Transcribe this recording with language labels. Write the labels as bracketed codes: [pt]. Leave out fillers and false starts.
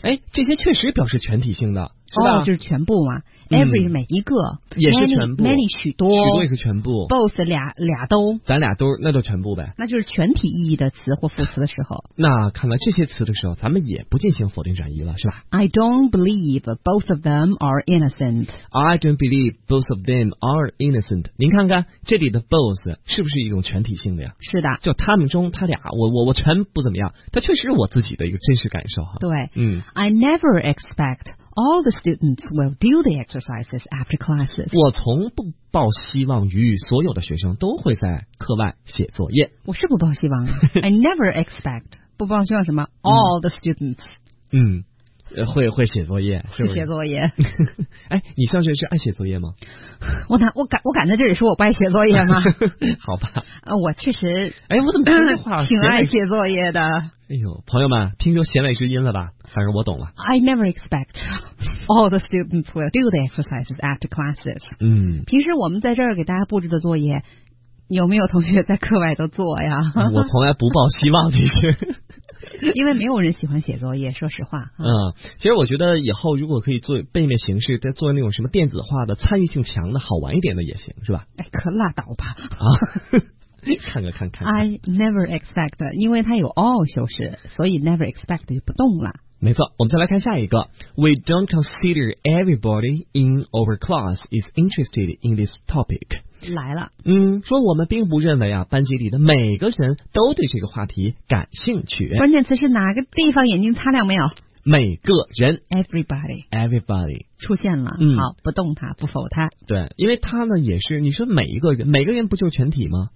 [zh] 哎，这些确实表示全体性的，是吧？就是全部嘛。Every 是每一个，也是全部。 Many 许多，许多也是全部。 Both 俩都，咱俩都，那就全部呗。那就是全体意义的词或副词的时候。那看到这些词的时候，咱们也不进行否定转移了，是吧 [en] ？I don't believe both of them are innocent. I don't believe both of them are innocent. [zh] 您看看这里的 both 是不是一种全体性的呀？是的，就他们中他俩，我全不怎么样，他确实是我自己的一个真实感受哈。 [en] 对，I never expect。 All the students will do the exercises after classes. [zh] 我从不抱希望于所有的学生都会在课外写作业。我是不抱希望啊。 [en] I never expect. [zh] 不抱希望什么 ？ [en] All the students. [zh] 会写作业，是不是？写作业。哎，你上学是爱写作业吗？我敢在这里说我不爱写作业吗？好吧。我确实。哎，我怎么听这话挺爱写作业的？哎呦，朋友们，听出弦外之音了吧？反正我懂了。 [en] I never expect all the students will do the exercises after classes. [zh] 平时我们在这儿给大家布置的作业，有没有同学在课外都做呀？我从来不抱希望，其实。因为没有人喜欢写作业，说实话。其实我觉得以后如果可以做背面形式，再做那种什么电子化的、参与性强的、好玩一点的也行，是吧？哎，可拉倒吧！啊。看看 [en] I never expect， [zh] 因为它有 all 修饰，所以 never expect 就不动了。没错，我们再来看下一个。 [en] We don't consider everybody in our class is interested in this topic。 [zh] 来了，说我们并不认为啊，班级里的每个人都对这个话题感兴趣。关键词是哪个地方眼睛擦亮没有？每个人 everybody 出现了，好，不动它，不否它，对，因为它呢也是你说每一个人，每个人不就是全体吗？